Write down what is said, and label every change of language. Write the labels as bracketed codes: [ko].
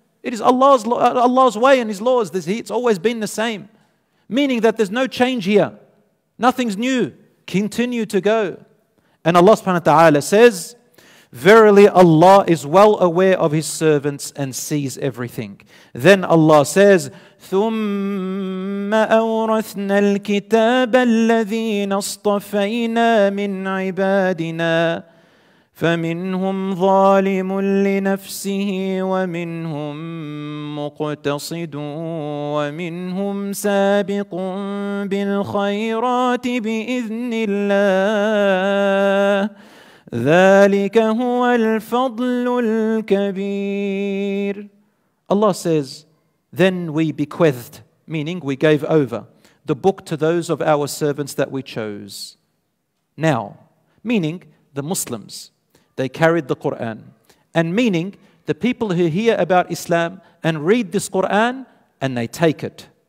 [en] It is Allah's way and His laws. It's always been the same, meaning that there's no change here. Nothing's new. Continue to go. And Allah subhanahu wa ta'ala says, verily Allah is well aware of His servants and sees everything. Then Allah says, [ar] ثُمَّ أَوْرَثْنَا الْكِتَابَ الَّذِينَ اصْطَفَيْنَا مِنْ عِبَادِنَا فَمِنْهُمْ ظَالِمٌ لِنَفْسِهِ وَمِنْهُمْ مُقْتَصِدٌ وَمِنْهُمْ سَابِقٌ بِالْخَيْرَاتِ بِإِذْنِ اللَّهِ ذَلِكَ هُوَ الْفَضْلُ الْكَبِيرُ. [en] Allah says, then we bequeathed, meaning we gave over, the book to those of our servants that we chose. Now, meaning the Muslims, they carried the Qur'an. And meaning, the people who hear about Islam and read this Qur'an, and they take it.